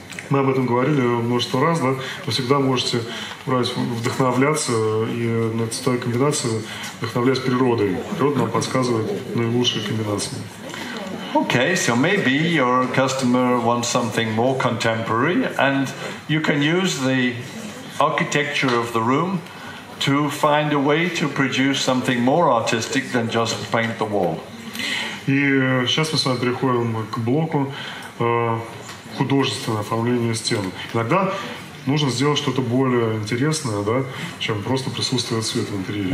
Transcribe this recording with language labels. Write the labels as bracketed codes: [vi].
[ru] Мы об этом говорили множество раз, да? Вы всегда можете вдохновляться и на цветовой комбинации вдохновляясь природой. Природа нам подсказывает наилучшие комбинации. [en] Okay, so maybe your customer wants something more contemporary and you can use the architecture of the room to find a way to produce something more artistic than just paint the wall. [ru] И сейчас мы с вами переходим к блоку художественного оформления стен. Иногда нужно сделать что-то более интересное, да, чем просто присутствие цвета в интерьере.